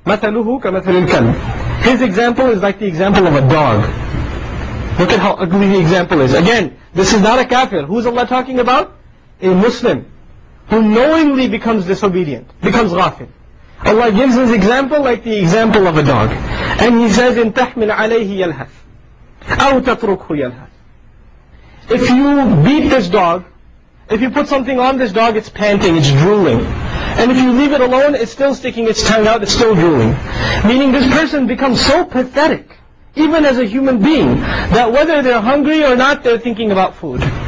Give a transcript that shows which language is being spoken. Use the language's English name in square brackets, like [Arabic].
[Arabic] مَثَلُهُ كَمَثَلِ الْكَلْبِ. [English] His example is like the example of a dog. Look at how ugly the example is. Again, this is not a kafir. Who's Allah talking about? A Muslim who knowingly becomes disobedient, becomes ghafil. Allah gives his example like the example of a dog. And he says, [Arabic] إِنْ تَحْمِلْ عَلَيْهِ يَلْهَثْ أَوْ تَتْرُكْهُ يَلْهَثْ. [English] If you beat this dog, if you put something on this dog, it's panting, it's drooling. And if you leave it alone, it's still sticking its tongue out, it's still drooling. Meaning this person becomes so pathetic, even as a human being, that whether they're hungry or not, they're thinking about food.